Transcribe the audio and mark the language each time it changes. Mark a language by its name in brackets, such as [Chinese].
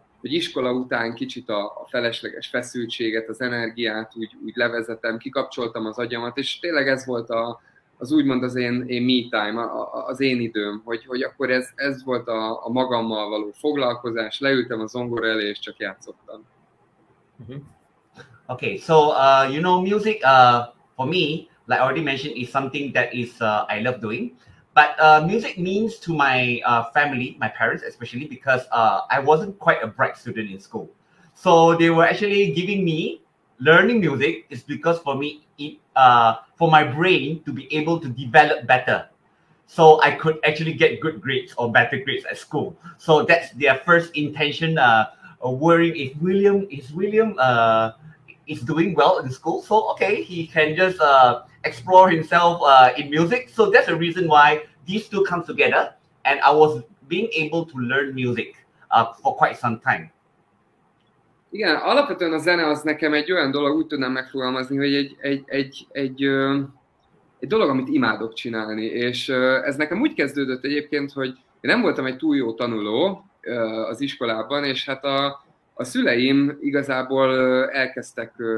[Hungarian] hogy iskola után kicsit a felesleges feszültséget, az energiát úgy levezetem, kikapcsoltam az agyamat, és tényleg ez volt az úgymond az én [English] me time, [Hungarian] az én időm, hogy akkor ez volt a magammal való foglalkozás, leültem a zongora elé, és csak játszottam. Mm-hmm. [English] Okay, so you know, music for me, like I already mentioned, is something that is I love doing. But music means to my family, my parents especially, because I wasn't quite a bright student in school. So they were actually giving me learning music is because for me, for my brain to be able to develop better. So I could actually get good grades or better grades at school. So that's their first intention. Worrying if William is doing well in school, so okay, he can just explore himself in music. So that's the reason why these two come together, and I was being able to learn music for quite some time. [Hungarian] Igen, alapvetően a zene az nekem egy olyan dolog, úgy tudnám megfogalmazni, hogy egy dolog, amit imádok csinálni, és ez nekem úgy kezdődött egyébként, hogy én nem voltam egy túl jó tanuló az iskolában, és hát a szüleim igazából elkezdtek